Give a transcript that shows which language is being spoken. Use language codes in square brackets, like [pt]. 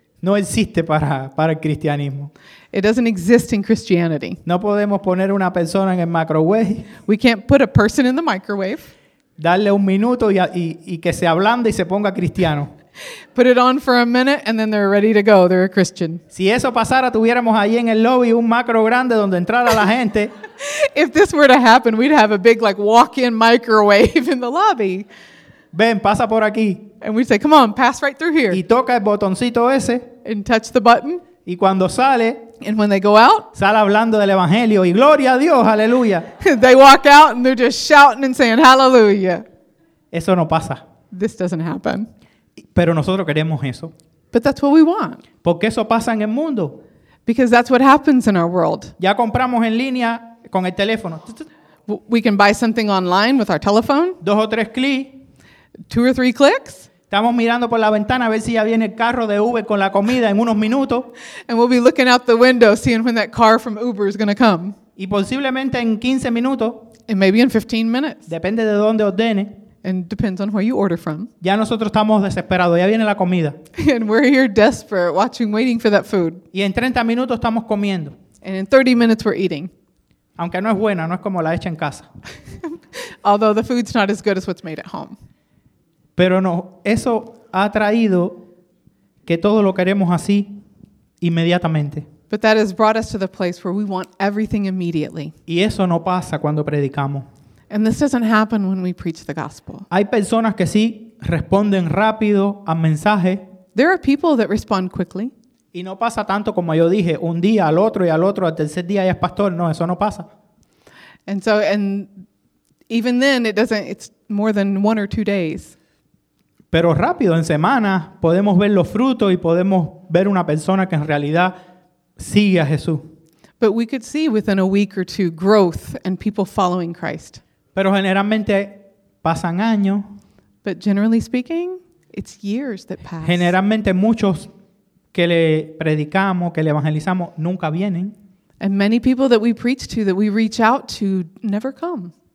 [es] No existe para el cristianismo. [en] It doesn't exist in Christianity. [es] No podemos poner una persona en el microwave. [en] We can't put a person in the microwave. [es] Darle un minuto y que se ablande y se ponga cristiano. [en] Put it on for a minute and then they're ready to go. They're a Christian. [es] Si eso pasara, tuviéramos ahí en el lobby un macro grande donde entrara la gente. [en] If this were to happen, we'd have a big like walk-in microwave in the lobby. [es] Ven, pasa por aquí. [en] And we'd say, come on, pass right through here. [es] Y toca el botoncito ese. [en] And touch the button. [es] Y cuando sale. [en] And when they go out. [es] Sale hablando del evangelio y gloria a Dios, aleluya. [en] They walk out and they're just shouting and saying, hallelujah. [es] Eso no pasa. [en] This doesn't happen. [es] Pero nosotros queremos eso. [en] But that's what we want. [es] Porque eso pasa en el mundo. [en] Because that's what happens in our world. [es] Ya compramos en línea con el teléfono. [en] We can buy something online with our telephone. [es] Dos o tres clics. [en] Two or three clicks. [es] Estamos mirando por la ventana a ver si ya viene el carro de Uber con la comida en unos minutos. [en] And we'll be looking out the window seeing when that car from Uber is going to come. [es] Y posiblemente en 15 minutos. [en] And maybe in 15 minutes. [es] Depende de dónde ordene. [en] And depends on where you order from. [es] Ya nosotros estamos desesperados, ya viene la comida. [en] And we're here desperate, watching, waiting for that food. [es] Y en 30 minutos estamos comiendo. [en] And in 30 minutes we're eating. [es] Aunque no es buena, no es como la hecha en casa. [en] Although the food's not as good as what's made at home. [es] Pero no, eso ha traído que todo lo queremos así inmediatamente. [en] But that has brought us to the place where we want everything immediately. [es] Y eso no pasa cuando predicamos. [en] And this doesn't happen when we preach the gospel. [es] Hay personas que sí responden rápido al mensaje. [en] There are people that respond quickly. [es] Y no pasa tanto como yo dije, un día al otro, al tercer día ya es pastor. No, eso no pasa. [en] And so, and even then, it's more than one or two days. [es] Pero rápido, en semanas, podemos ver los frutos y podemos ver una persona que en realidad sigue a Jesús. [en] But we could see within a week or two growth and people following Christ. [es] Pero generalmente pasan años. [en] But generally speaking, it's years that pass. [es] Generalmente muchos que le predicamos, que le evangelizamos, nunca vienen. [en] And many people that we preach to, that we reach out to, never come.